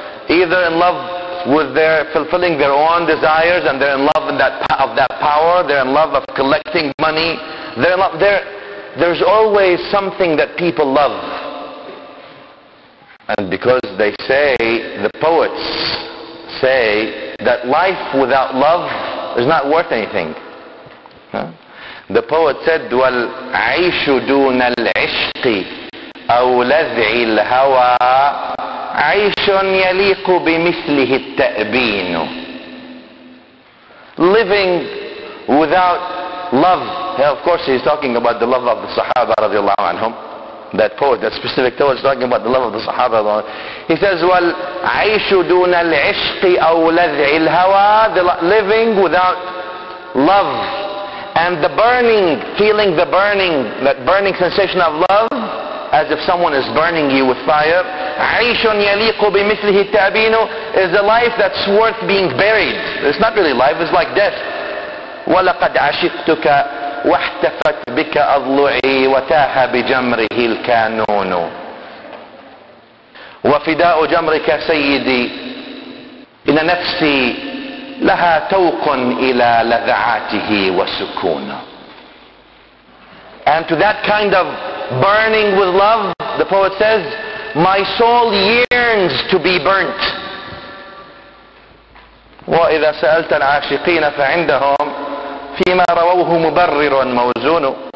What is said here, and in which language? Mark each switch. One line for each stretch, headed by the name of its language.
English: Either in love with their fulfilling their own desires, and they're in love in that of that power, they're in love of collecting money. They're in love, there's always something that people love. And because they say, the poets say, that life without love is not worth anything. Huh? The poet said,
Arabic: وَالْعِيشُ دُونَ الْعِشْقِ أَوْلَذْعِ الْهَوَىٰ عِيشٌ يَلِيقُ بِمِثْلِهِ التَّأْبِينُ.
English: Living without love. Yeah, of course, he's talking about the love of the Sahaba radiallahu anhum. That poet, that specific poet is talking about the love of the Sahaba. He says,
Arabic: وَالْعِيشُ دُونَ الْعِشْقِ أَوْلَذْعِ الْهَوَىٰ.
English: The living without love. And the burning, feeling the burning, that burning sensation of love, as if someone is burning you with fire.
Arabic: عَيْشٌ يَلِيقُ بِمِثْلِهِ التَّعْبِينُ.
English: Is a life that's worth being buried. It's not really life, it's like death.
Arabic: ولقد عشقتك واحتفت بك أضلعي وتاه بجمره الكانون. وفداء جمرك سيدي إن نفسي لها توق إلى لذعاته وسكون.
English: And to that kind of burning with love, the poet says, my soul yearns to be burnt.
Arabic: وإذا سألت العاشقين فعندهم فيما رووه مبرر موزون.